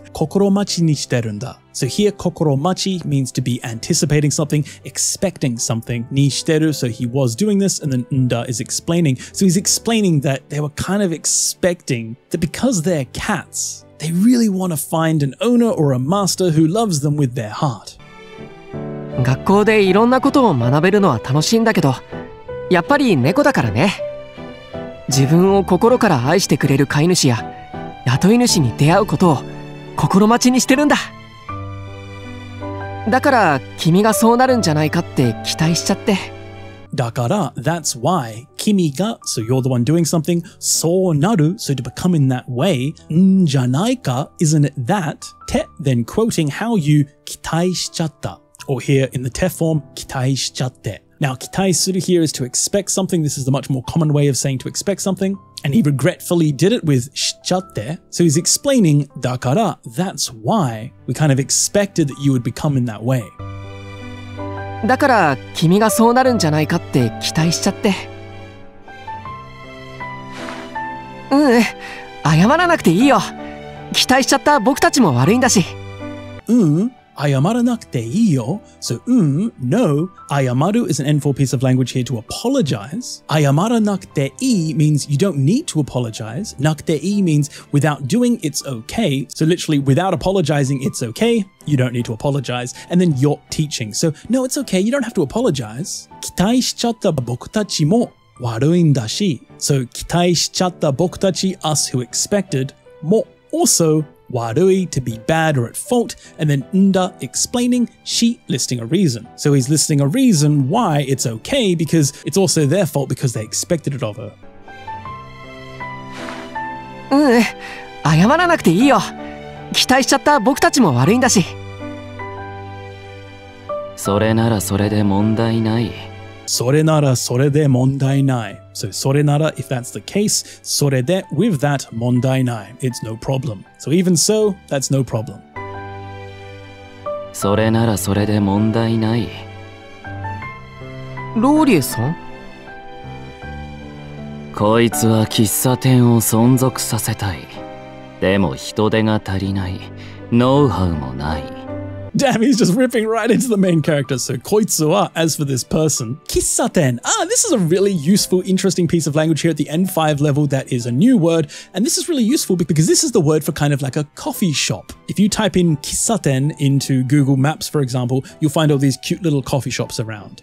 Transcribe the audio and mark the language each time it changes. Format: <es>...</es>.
<ja>心待ちにしてるんだ。</ja> <en>So here, 心待ち means to be anticipating something, expecting something.</en> <ja>にしてる,</ja> <en>so he was doing this, and then</en> <ja>んだ</ja> <en>is explaining. So he's explaining that they were kind of expecting that because they're cats, they really want to find an owner or a master who loves them with their heart.</en> <ja>学校でいろんなことを学べるのは楽しいんだけど、やっぱり猫だからね。自分を心から愛してくれる飼い主や雇い主に出会うことを心待ちにしてるんだ。だから君がそうなるんじゃないかって期待しちゃって。だから、</ja> <en>that's why</en> <ja>君が、</ja> <en>so you're the one doing something,</en> <ja>そうなる、</ja> <en>so to become in that way,</en> <ja>んじゃないか、</ja> <en>isn't it that? て、then quoting how you</en> <ja>期待しちゃった。</ja> <en>or here in the te form,</en> <ja>期待しちゃって。</ja> <en>Now, 期待する here is to expect something. This is the much more common way of saying to expect something. And he regretfully did it with</en> <ja>しちゃって.</ja> <en>So he's explaining,</en> <ja>だから,</ja> <en>that's why we kind of expected that you would become in that way.</en> <ja>だから、君がそうなるんじゃないかって期待しちゃって。うん、謝らなくていいよ。期待しちゃった僕たちも悪いんだし。うん。謝らなくていいよ.</ja> <en>So, no. 謝る is an N4 piece of language here to apologize.</en> <ja>謝らなくていい</ja> <en>means you don't need to apologize.</en> <ja>なくていい</ja> <en>means without doing, it's okay. So literally, without apologizing, it's okay. You don't need to apologize. And then you're teaching. So, no, it's okay. You don't have to apologize.</en> <ja>期待しちゃった僕たちも悪いんだし.</ja> <en>So,</en> <ja>期待しちゃった僕たち</ja> <en>us who expected も also Warui, to be bad or at fault, and then nda, explaining, she, listing a reason. So he's listing a reason why it's okay, because it's also their fault because they expected it of her.</en> <ja>うん、謝らなくていいよ。期待しちゃった僕たちも悪いんだし。それならそれで問題ない。それならそれで問題ない。</ja> <en>So,</en> <ja>それなら,</ja> <en>if that's the case,</en> <ja>それで,</ja> <en>with that,</en> <ja>問題ない.</ja> <en>It's no problem. So, even so, that's no problem.</en> <ja>それならそれで問題ない。ローリエさん? こいつは喫茶店を存続させたい。でも人手が足りない。ノウハウもない。</ja> <en>Damn, he's just ripping right into the main character. So koitsu wa, as for this person, kissaten. Ah, this is a really useful, interesting piece of language here at the N5 level that is a new word. And this is really useful because this is the word for kind of like a coffee shop. If you type in kissaten into Google Maps, for example, you'll find all these cute little coffee shops around.</en>